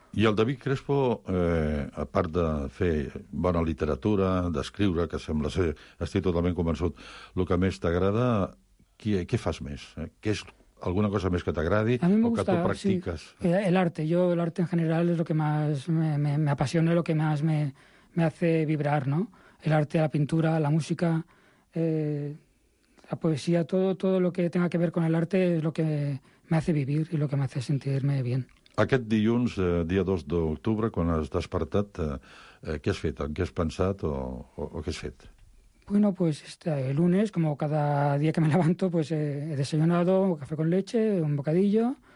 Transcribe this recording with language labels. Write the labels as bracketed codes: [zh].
[ca] I el David Crespo, a part de fer bona literatura, d'escriure, que sembla ser, estic totalment convençut, el que més t'agrada, què fas més? Què és alguna cosa més que t'agradi o que tu practiques? [es] Sí, el arte. Yo, el arte en general es lo que más me apasiona, lo que más me hace vibrar, ¿no? El arte, la pintura, la música, la poesía, todo lo que tenga que ver con el arte es lo que me hace vivir y lo que me hace sentirme bien. [ca] Aquest dilluns, dia 2 d'octubre, quan has despertat, què has fet? En què has pensat o què has fet? [es] Bueno, pues el lunes, como cada día que me levanto, pues he desayunado, un café con leche, un bocadillo.